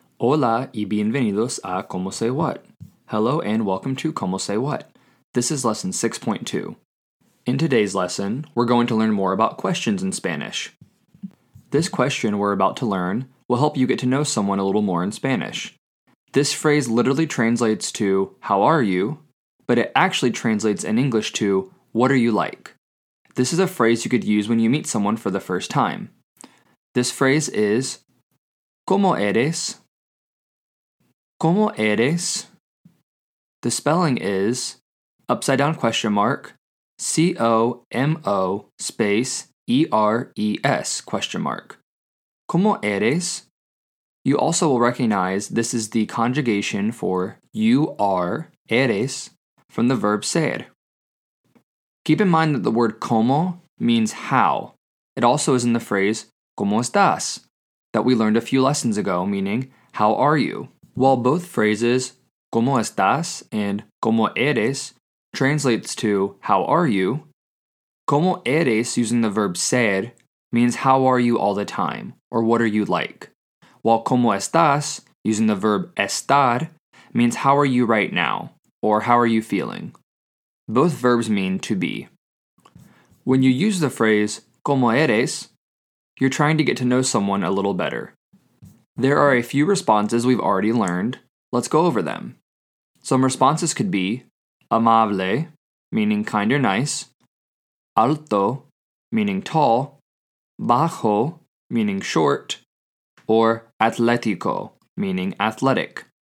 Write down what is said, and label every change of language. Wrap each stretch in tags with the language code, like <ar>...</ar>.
<es>Hola y bienvenidos a Cómo Sé What.</es> <en>Hello and welcome to Cómo Sé What. This is lesson 6.2. In today's lesson, we're going to learn more about questions in Spanish. This question we're about to learn will help you get to know someone a little more in Spanish. This phrase literally translates to, how are you? But it actually translates in English to, what are you like? This is a phrase you could use when you meet someone for the first time. This phrase is, ¿Cómo eres? ¿Cómo eres? The spelling is, upside down question mark, C-O-M-O space E-R-E-S question mark. ¿Cómo eres? You also will recognize this is the conjugation for you are, eres, from the verb ser. Keep in mind that the word como means how. It also is in the phrase ¿Cómo estás? That we learned a few lessons ago, meaning how are you? While both phrases ¿Cómo estás? And ¿Cómo eres? Translates to how are you, ¿Cómo eres? Using the verb ser means how are you all the time, or what are you like? While ¿Cómo estás? Using the verb estar means how are you right now, or how are you feeling? Both verbs mean to be. When you use the phrase ¿Cómo eres? You're trying to get to know someone a little better. There are a few responses we've already learned. Let's go over them. Some responses could be amable, meaning kind or nice, alto, meaning tall, bajo, meaning short, or atlético, meaning athletic.</en>